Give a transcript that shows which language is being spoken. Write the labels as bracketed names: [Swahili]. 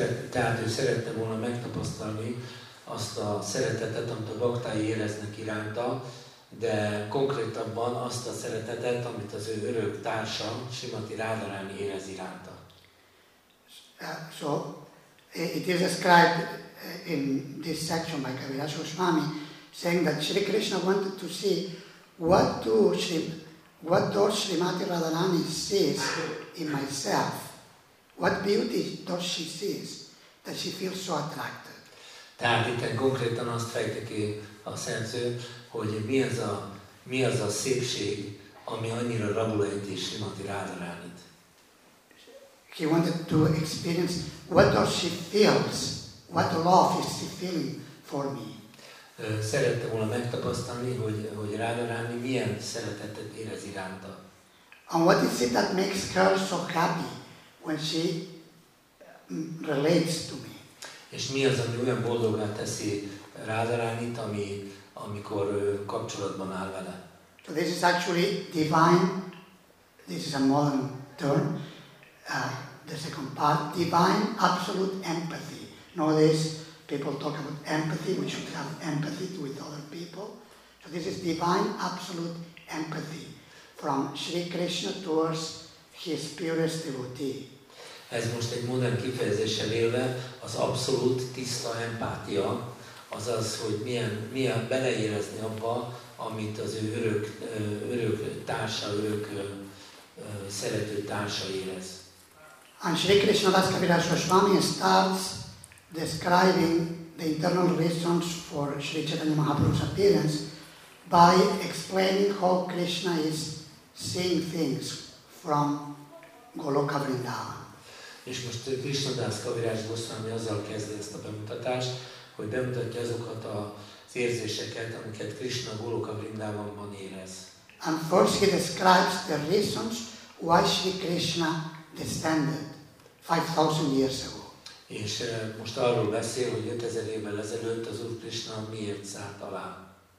[Hungarian] Tehát ő szerette volna megtapasztalni azt a szeretetet, amit a baktái éreznek iránta, de konkrétabban azt a szeretetet, amit az ő örök társa, Srimati Radharani érez iránta. [English] So, it is described in this section by Kaviraj Goswami, saying that Sri Krishna wanted to see what does Srimati Radharani sees in myself? What beauty does she see that she feels so attracted? [Hungarian] Tehát itt konkrétan azt fejti ki a szerző, hogy mi az a szépség, ami annyira rabul ejti Srimati Radharanit. [English] He wanted to experience what does she feels, what love is she feeling for me. [Hungarian] Szerette volna megtapasztalni, hogy Radharani milyen szeretetet érez iránta. [English] And what is it that makes her so happy when she relates to me? [Hungarian] És mi az, ami olyan boldoggá teszi Radharanit, amikor kapcsolatban áll vele? [English] So this is actually divine, this is a modern term, the second part, divine absolute empathy. Notice, people talk about empathy, we should have empathy with other people. So this is divine absolute empathy from Sri Krishna towards his purest devotee. [Hungarian] Ez most egy modern kifejezéssel élve az abszolút tiszta empátia, azaz, hogy milyen beleérezni abba, amit az ő örök társa, örök szerető társa érez. [English] And Sri Krishna Das Kaviraj Goswami starts describing the internal reasons for Sri Chaitanya Mahaprabhu's appearance by explaining how Krishna is seeing things from Goloka Vrindavan. [Hungarian] És most Krishna Das Kaviraj Goswami azzal kezdi ezt a bemutatást, hogy bemutatja azokat az érzéseket, amiket Krishna Goloka Vrindavanban érez. [English] And first he describes the reasons why Sri Krishna descended 5000 years ago. [Hungarian] És most arról beszél, hogy 5000 évvel ezelőtt az Úr Krishna miért szállt alá.